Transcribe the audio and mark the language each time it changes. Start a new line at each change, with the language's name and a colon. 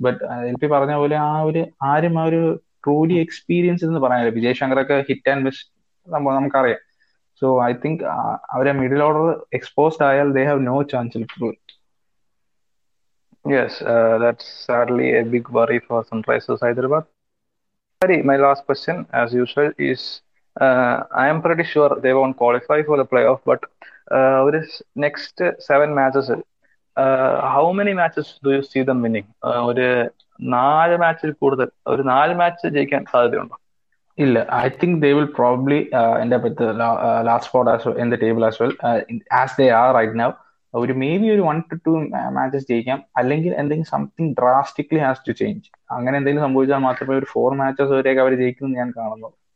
Malayalam: But L P പറഞ്ഞ പോലെ ആ ഒരു ആരും ആ ഒരു ട്രൂലി എക്സ്പീരിയൻസ് എന്ന് പറയാനില്ല. വിജയ് ശങ്കറൊക്കെ ഹിറ്റ് ആൻഡ് മിസ് സംഭവം നമുക്കറിയാം. സോ ഐ തിങ്ക് അവരെ മിഡിൽ ഓർഡർ എക്സ്പോസ്ഡ് ആയാൽ
English: They have no chance in true. Yes, that's sadly a big worry for Sunrisers Hyderabad. My last question, as usual, is I am pretty sure they won't qualify for the playoff, but with this next 7 matches, how many matches do you see them winning?
Malayalam: Or 4 matches kooduthal or 4 matches jeikkan saadhyam undo?
English: ഇല്ല, I think they will probably
Malayalam: എന്റെ അടുത്ത്
English: Last spot as well in the table as well as they are right now.
Malayalam: ഒരു may be ഒരു 1-2 matches ജയിക്കാം, അല്ലെങ്കിൽ എന്തെങ്കിലും
English: Something drastically has to change.
Malayalam: അങ്ങനെ എന്തെങ്കിലും സംഭവിച്ചാൽ മാത്രമേ ഒരു 4 മാച്ചസ് വരെയൊക്കെ അവർ ജയിക്കുമെന്ന് ഞാൻ കാണുന്നു.